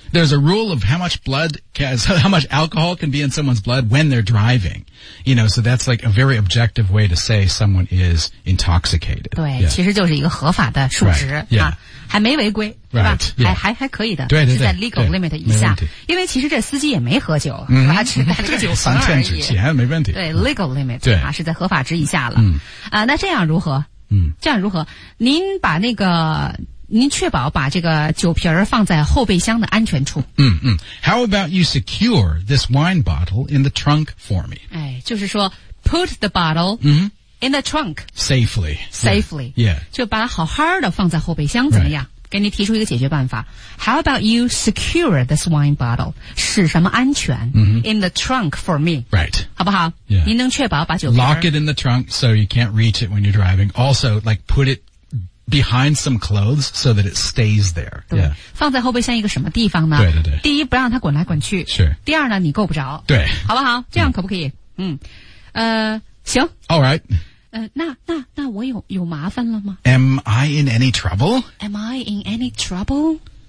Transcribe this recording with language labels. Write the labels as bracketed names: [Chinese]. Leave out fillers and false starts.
[English] There's a rule of how much blood, how much alcohol can be in someone's blood when they're driving. You know, so that's like a very objective way to say someone is intoxicated. [Chinese] 对、 [English] yeah. [Chinese] 其实就是一个合法的数值、 [English] right. yeah. [Chinese] 啊、还没违规。 [English] Right, [Chinese] 是吧、 [English] yeah. [Chinese] 还可以的对对对是在 legal limit 以下因为其实这司机也没喝酒、嗯、是吧只带了个酒瓶而已三天之前没问题对 legal limit 对、啊、是在合法值以下了、嗯那这样如何、嗯、这样如何您把那个您确保把这个酒瓶放在后备箱的安全处 [English] 嗯嗯 How about you secure this wine bottle in the trunk for me [Chinese] 哎，就是说 [English] put the bottle、嗯 in the trunk safely safely yeah. yeah [Chinese] 就把它好好的放在后备箱怎么样、 [English] right. [Chinese] 给你提出一个解决办法 [English] How about you secure this wine bottle [Chinese] 使什么安全、 mm-hmm. [English] in the trunk for me right [Chinese] 好不好、 [English] yeah. [Chinese] 您能确保把酒瓶 [English] lock it in the trunk so you can't reach it when you're driving also like put itbehind some clothes so that it stays there. [Chinese] 对、 [English] yeah. [Chinese] 放在后备箱一个什么地方呢对对对。第一不让它滚来滚去。是。第二呢你够不着。对。好不好这样可不可以 嗯, 嗯。行。 [English] Alright. [Chinese] 那我有麻烦了吗 [English] ?Am I in any trouble? Am I in any trouble?